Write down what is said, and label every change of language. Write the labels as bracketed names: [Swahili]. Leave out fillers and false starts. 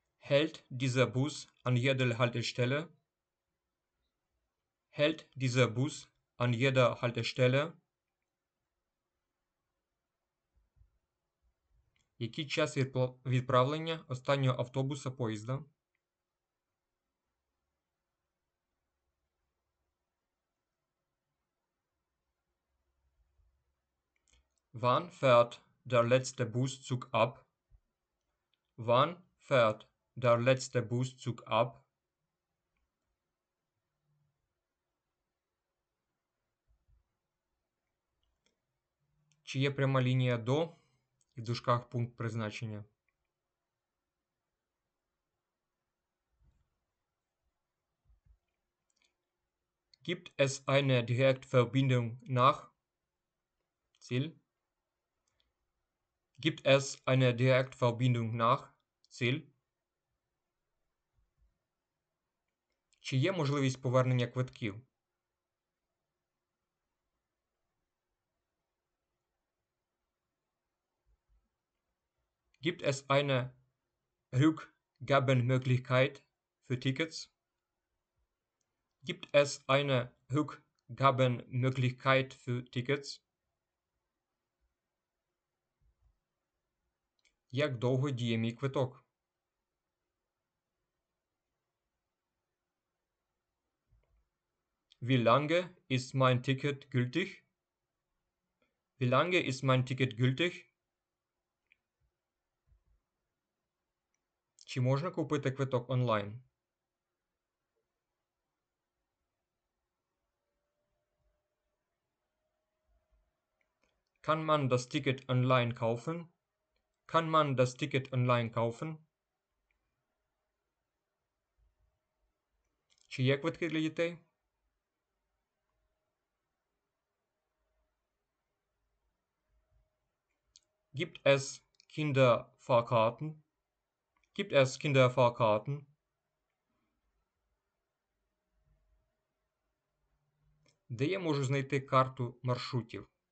[German] Hält dieser Bus an jeder Haltestelle? Hält dieser Bus an jeder Haltestelle? [Ukrainian] Який час відправлення останнього автобуса поїзда? [German] Wann fährt der letzte Buszug ab? Wann fährt der letzte Buszug ab? [Ukrainian] Чи є пряма лінія до і в дужках пункт призначення? [German] Gibt es eine Direktverbindung nach Ziel? Gibt es eine Direktverbindung nach Ziel? [Ukrainian] Чи є можливість повернення квитків? [German] Gibt es eine Rückgabemöglichkeit für Tickets? Gibt es eine Rückgabemöglichkeit für Tickets? [Ukrainian] Як довго діє мій квиток? [German] Wie lange ist mein Ticket gültig? Wie lange ist mein Ticket gültig? [Ukrainian] Чи можна купити квиток онлайн? [German] Kann man das Ticket online kaufen? Kann man das Ticket online kaufen? [Ukrainian] Чи є квитки для дітей? [German] Gibt es Kinderfahrkarten? Gibt es Kinderfahrkarten? [Ukrainian] Де я можу знайти карту маршрутів?